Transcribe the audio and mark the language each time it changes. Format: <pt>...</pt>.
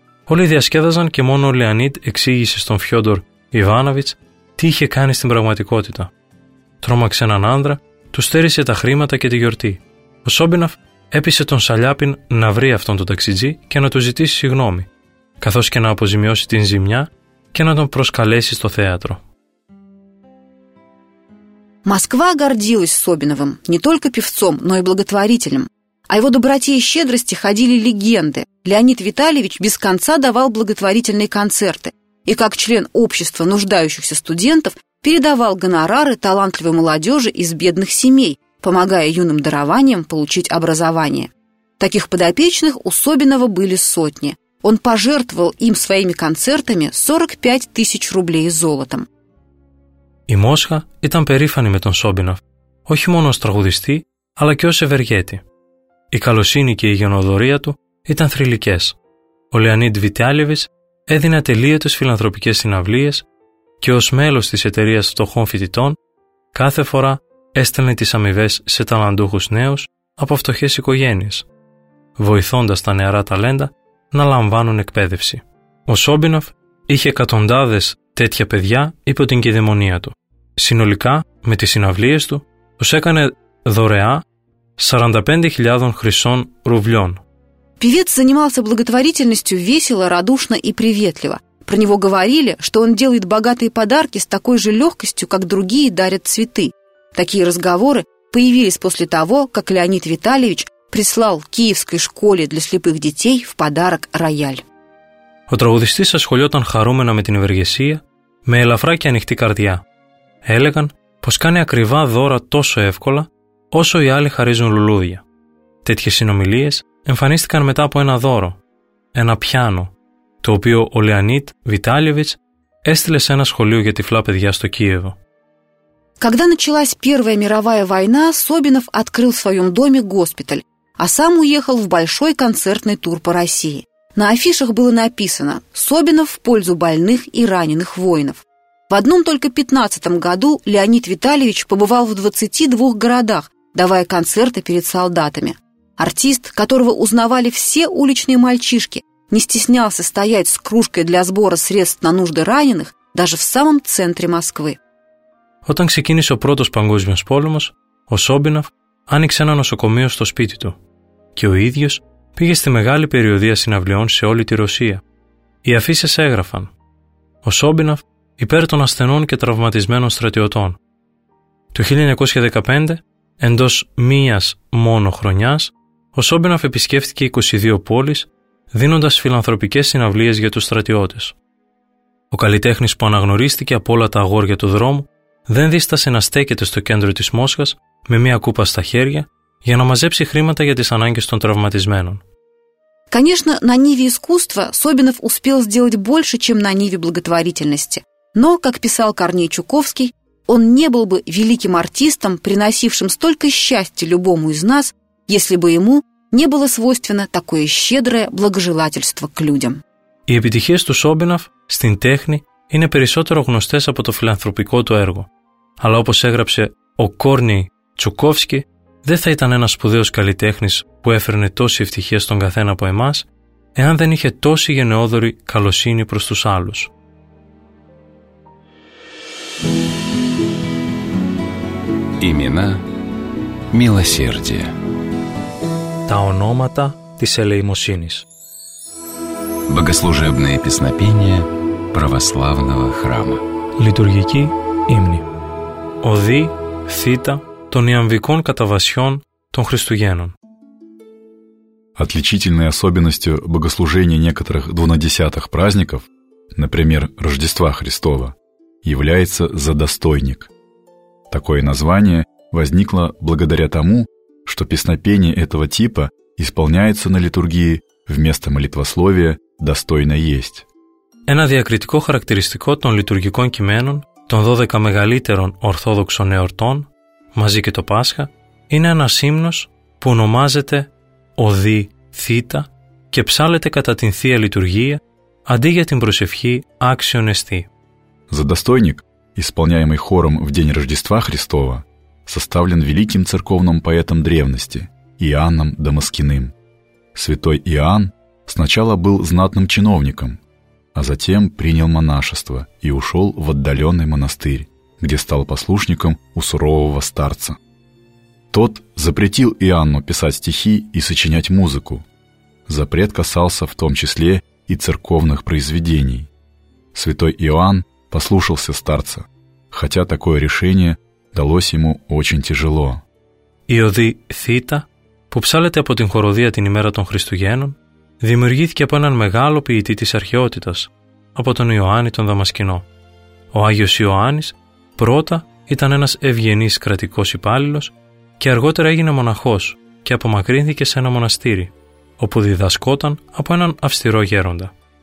<el>Όλοι διασκέδαζαν και μόνο ο Λεανίτ εξήγησε στον Φιόντορ Ιβάνοβιτς τι είχε κάνει στην πραγματικότητα. Τρόμαξε έναν άνδρα, του στέρισε τα χρήματα και τη γιορτή. Ο Σόμπινοφ έπεισε τον Σαλιάπιν να βρει αυτόν τον ταξιτζή και να του ζητήσει συγγνώμη, καθώς και να αποζημιώσει την ζημιά και να τον προσκαλέσει στο θέατρο.</el> <ru>Москва гордилась Собиновым не только певцом, но и благотворителем. О его доброте и щедрости ходили легенды. Леонид Витальевич без конца давал благотворительные концерты и как член общества нуждающихся студентов передавал гонорары талантливой молодежи из бедных семей, помогая юным дарованиям получить образование. Таких подопечных у Собинова были сотни. Он пожертвовал им своими концертами 45 тысяч рублей золотом.</ru> <el>Η Μόσχα ήταν περήφανη με τον Σόμπινοφ, όχι μόνο ως τραγουδιστή, αλλά και ως ευεργέτη. Η καλοσύνη και η γενναιοδορία του ήταν θρυλικές. Ο Λεανίντ Βιτάλεβιτς έδινε ατελείωτες φιλανθρωπικές συναυλίες και ως μέλος της Εταιρείας Φτωχών Φοιτητών, κάθε φορά έστελνε τις αμοιβές σε ταλαντούχους νέους από φτωχές οικογένειες, βοηθώντας τα νεαρά ταλέντα να λαμβάνουν εκπαίδευση. Ο Σόμπινοφ είχε εκατοντάδες τέτοια παιδιά υπό την κηδεμονία του. Συνολικά, με τις συναυλίες του, τους έκανε δωρεά 45.000 χρυσών ρουβλιών.</el> <ru>Певец занимался благотворительностью весело, радушно и приветливо. Про него говорили, что он делает богатые подарки с такой же легкостью, как другие дарят цветы. Такие разговоры появились после того, как Леонид Витальевич прислал Киевской школе для слепых детей в подарок рояль.</ru> <el>Ο τραγουδιστής ασχολιόταν χαρούμενα με την ευεργεσία, με ελαφρά και ανοιχτή καρδιά. Έλεγαν πως κάνει ακριβά δώρα τόσο εύκολα, όσο οι άλλοι χαρίζουν λουλούδια. Τέτοιες συνομιλίες εμφανίστηκαν μετά από ένα δώρο, ένα πιάνο, το οποίο ο Λεανίτ Βιτάλεβιτς έστειλε σε ένα σχολείο για τυφλά παιδιά στο Κίεβο.</el> <ru>Когда началась Первая мировая война, Собинов открыл в своем доме госпиталь, а сам уехал в большой концертный тур по России. На афишах было написано «Собинов в пользу больных и раненых воинов». В одном только 15-м году Леонид Витальевич побывал в 22 городах, давая концерты перед солдатами. Артист, которого узнавали все уличные мальчишки, не стеснялся стоять с кружкой для сбора средств на нужды раненых даже в самом центре Москвы.</ru> <el>Όταν ξεκίνησε ο πρώτος παγκόσμιος πόλεμος, ο Σόμπινοφ άνοιξε ένα νοσοκομείο στο σπίτι του και ο ίδιος πήγε στη μεγάλη περιοδία συναυλιών σε όλη τη Ρωσία. Οι αφίσες έγραφαν «Ο Σόμπινοφ υπέρ των ασθενών και τραυματισμένων στρατιωτών». Το 1915, εντός μίας μόνο χρονιάς, ο Σόμπινοφ επισκέφθηκε 22 πόλεις, δίνοντας φιλανθρωπικές συναυλίες για τους στρατιώτες. Ο καλλιτέχνης που αναγνωρίστηκε από όλα τα αγόρια του δρόμου δεν δίστασε να στέκεται στο κέντρο της Μόσχας με μία κούπα στα χέρια για να μαζέψει χρήματα για τις ανάγκες των τραυματισμένων.</el> <ru>Конечно, на ниве искусства Собинов успел сделать больше, чем на ниве благотворительности. Но, как писал Корней Чуковский, он не был бы великим артистом, приносившим столько счастья любому из нас, если бы ему не было свойственно такое щедрое благожелательство к людям.</ru> <el>Οι επιτυχίες του Собинов στην τέχνη είναι περισσότερο γνωστές από το φιλανθρωπικό του έργο. Αλλά όπως έγραψε ο Κόρνεϊ Τσουκόφσκι, δεν θα ήταν ένας σπουδαίος καλλιτέχνης που έφερνε τόση ευτυχία στον καθένα από εμάς, εάν δεν είχε τόση γενναιόδορη καλοσύνη προς τους άλλους.</el> <ru>Имена, милосердие.</ru> <el>Τα ονόματα της ελεημοσύνης.</el> <ru>Богослужебные песнопения православного храма.</ru> <el>Λειτουργική ύμνη. Οδή, θήτα των Ιαμβικών Καταβασιών των Χριστουγέννων.</el> <ru>Отличительной особенностью богослужения некоторых двунадесятых праздников, например, Рождества Христова, является задостойник. Такое название возникло благодаря тому, что песнопение этого типа исполняется на литургии вместо молитвословия «достойно есть».</ru> <el>Ένα διακριτικό χαρακτηριστικό των λειτουργικών κειμένων των 12 μεγαλύτερων Ορθόδοξων εορτών, μαζί και το Πάσχα, είναι ένας ύμνος που ονομάζεται «Οδή Θήτα» και ψάλλεται κατά την Θεία Λειτουργία αντί για την προσευχή «Άξιον εστί».</el> <ru>За достойник, исполняемый хором в день Рождества Христова, составлен великим церковным поэтом древности Иоанном Дамаскиным. Святой Иоанн сначала был знатным чиновником, а затем принял монашество и ушел в отдаленный монастырь, где стал послушником у сурового старца. Тот запретил Иоанну писать стихи и сочинять музыку. Запрет касался в том числе и церковных произведений. Святой Иоанн послушался старца, хотя такое решение далось ему очень тяжело.</ru> <el>Иоди Θήτα, που ψάλλεται από την χοροδία την ημέρα των Χριστουγέννων, δημιουργήθηκε από έναν μεγάλο ποιητή της αρχαιότητας, από τον Ιωάννη τον Δαμασκηνό. Ο Άγιος Ιωάννης πρώτα ήταν ένας ευγενής κρατικός υπάλληλος και αργότερα έγινε μοναχός και απομακρύνθηκε σε ένα μοναστήρι, όπου διδασκόταν από έναν αυστηρό γέροντα.</el>